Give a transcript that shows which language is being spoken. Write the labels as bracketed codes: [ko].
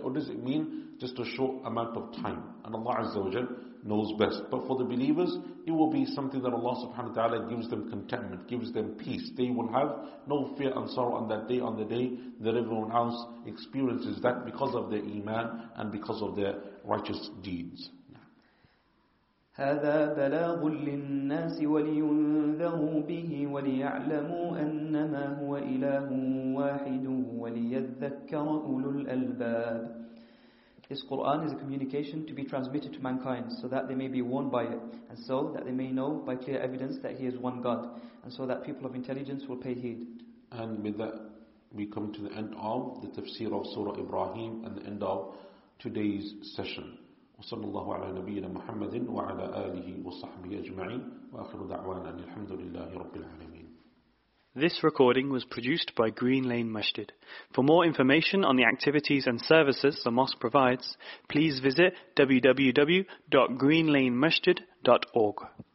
[en] Or does it mean just a short amount of time? And Allah Azza wa Jal knows best. But for the believers, it will be something that Allah subhanahu wa ta'ala gives them contentment, gives them peace. They will have no fear and sorrow on that day, on the day that everyone else experiences that because of their iman and because of their righteous deeds. [ar] هذا بلاغ للناس ولينذروا به وليعلموا أنما هو إله واحد وليذكر أولو الألباب. [en] This Quran is a communication to be transmitted to mankind so that they may be warned by it, and so that they may know by clear evidence that He is one God, and so that people of intelligence will pay heed. And with that, we come to the end of the tafsir of Surah Ibrahim and the end of today's session. [ar] صلى الله على نبينا محمد وعلى آله وصحبه أجمعين وآخر دعوانا أن الحمد لله رب العالمين. [en] This recording was produced by Green Lane Masjid. For more information on the activities and services the mosque provides, please visit www.greenlanemasjid.org.